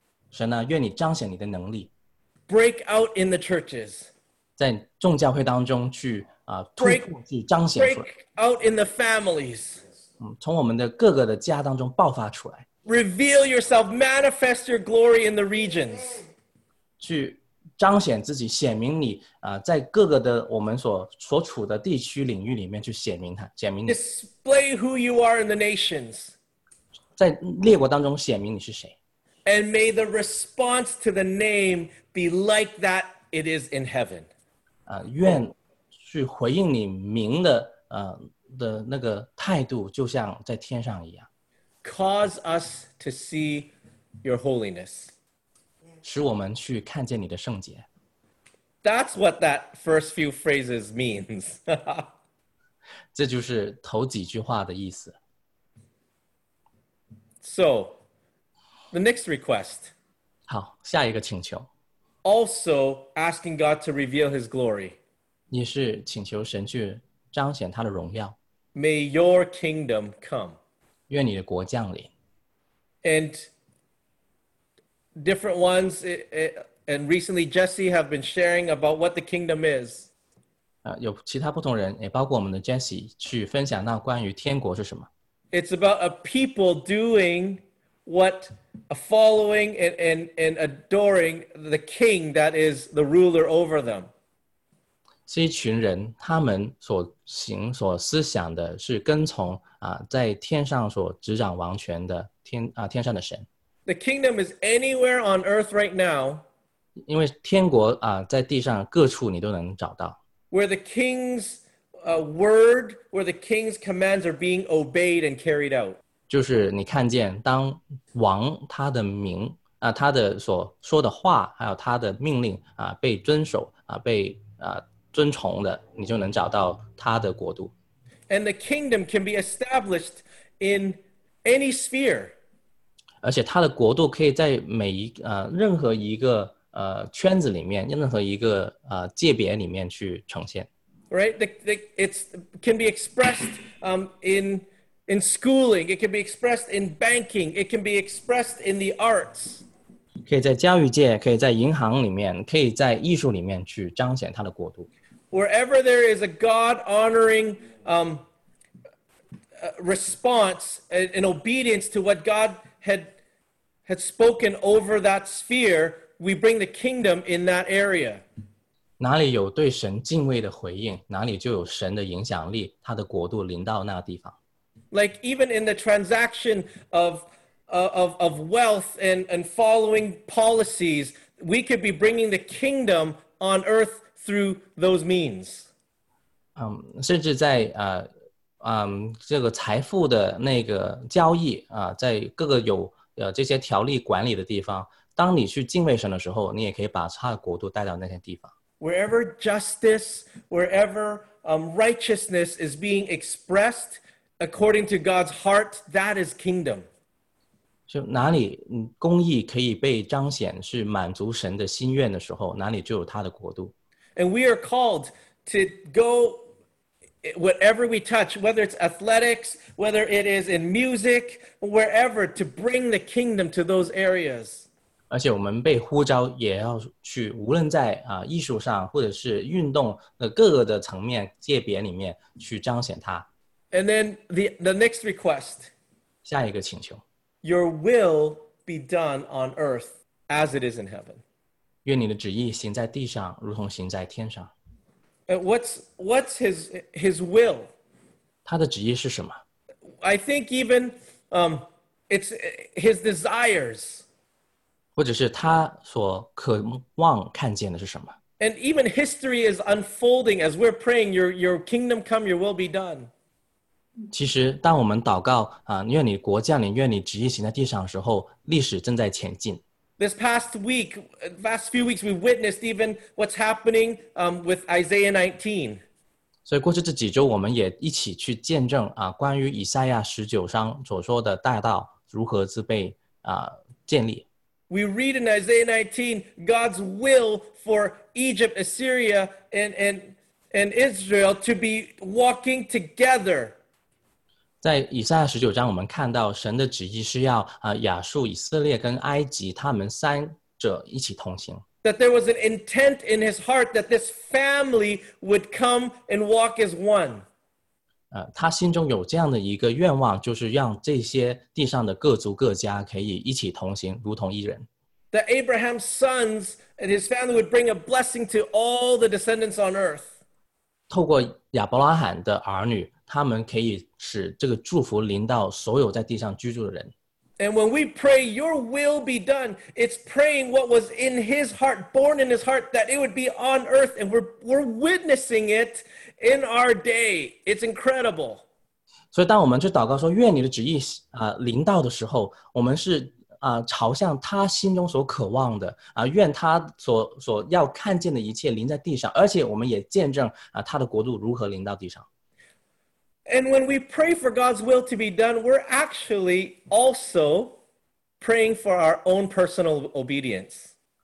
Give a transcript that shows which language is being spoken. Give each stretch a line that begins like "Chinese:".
Chinese: 神啊，愿你彰显你的能力。
English: Break out in the churches.
Chinese: 在众教会当中去去彰显出来。
English: Break out in the families.
Chinese: 从我们的各个的家当中爆发出来。
English: Reveal yourself, manifest your glory in the regions.
Chinese: 去彰显自己，显明你在各个的我们所处的地区领域里面去显明它，显明你。
English: Display who you are in the nations.
Chinese: 在列国当中显明你是谁。
English: And may the response to the name be like that it is in heaven.
Chinese: 愿去回应你名的的那个态度就像在天上一样。
English: Cause us to see your holiness.
Chinese: 使我们去看见你的圣洁。
English: That's what that first few phrases means.
Chinese: 这就是头几句话的意思。
English: So, the next request.
Chinese: 好，下一个请求。
English: Also asking God to reveal his glory.
Chinese: 你是请求神去彰显他的荣耀。
English: May your kingdom come.
Chinese: 愿你的国降临。
English: And different ones, and recently Jesse have been sharing about what the kingdom is.
Chinese: 有其他不同人，也包括我们的 Jesse 去分享到关于天国是什么。
English: It's about a people doing what a following and adoring the king that is the ruler over them.
Chinese: 是一群人，他们所行所思想的是跟从在天上所执掌王权的天上的神。
English: The kingdom is anywhere on earth right now.
Chinese: 因为天国在地上各处你都能找到。
English: Where the king's word, where the king's commands are being obeyed and carried out.
Chinese: 就是你看见当王他的名他的所说的话还有他的命令被遵守被尊崇的，你就能找到他的国度。
English: And the kingdom can be established in any sphere.
Chinese: 而且他的国度可以在任何一个圈子里面，任何一个界别里面去呈现。
English: Right, it can be expressed in schooling. It can be expressed in banking. It can be expressed in the arts.
Chinese: 可以在教育界，可以在银行里面，可以在艺术里面去彰显他的国度。
English: Wherever there is a God honoring response and obedience to what God had spoken over that sphere, we bring the kingdom in that area.
Chinese: 哪里有对神敬畏的回应，哪里就有神的影响力，他的国度临到那地方。
English: Like even in the transaction of wealth and following policies, we could be bringing the kingdom on earth through those means.
Chinese: 甚至在这个财富的那个交易在各个有这些条例管理的地方，当你去敬畏神的时候，你也可以把他的国度带到那些地方。
English: Wherever justice, wherever righteousness is being expressed according to God's heart, that is kingdom.
Chinese: 就哪里公义可以被彰显，是满足神的心愿的时候，哪里就有他的国度。
English: And we are called to go whatever we touch, whether it's athletics, whether it is in music, wherever, to bring the kingdom to those areas.
Chinese: 而且我们被呼召也要去，无论在艺术上或者是运动的各个的层面界别里面去彰显它。
English: And then the next request.
Chinese: 下一个请求。
English: Your will be done on earth as it is in heaven.
Chinese: 愿你的旨意行在地上，如同行在天上。
English: What's his will?
Chinese: 他的旨意是什么？
English: I think even it's his desires.
Chinese: 或者是他所渴望看见的是什么？
English: And even history is unfolding as we're praying, your kingdom come, your will be done.
Chinese: 其实当我们祷告愿你国降临，愿你旨意行在地上的时候，历史正在前进。
English: This past week, last few weeks, we witnessed even what's happening with Isaiah 19.
Chinese: 所以过去这几周，我们也一起去见证关于以赛亚十九章所说的大道如何是被建立。
English: We read in Isaiah 19 God's will for Egypt, Assyria, and Israel to be walking together.
Chinese: 在以赛亚十九章，我们看到神的旨意是要亚述、以色列跟埃及他们三者一起同行。
English: That there was an intent in his heart that this family would come and walk as one.
Chinese: 他心中有这样的一个愿望，就是让这些地上的各族各家可以一起同行，如同一人。
English: That Abraham's sons and his family would bring a blessing to all the descendants on earth.
Chinese: 透过亚伯拉罕的儿女，他们可以使这个祝福临到所有在地上居住的人。
English: And when we pray, your will be done, it's praying what was in his heart, born in his heart, that it would be on earth. And we're witnessing it in our day. It's incredible.
Chinese: 所以当我们去祷告说愿你的旨意临到的时候，我们是朝向他心中所渴望的，愿他所要看见的一切临在地上，而且我们也见证他的国度如何临到地上。
English: And when we pray for God's will to be done, we're actually also praying for our own personal obedience.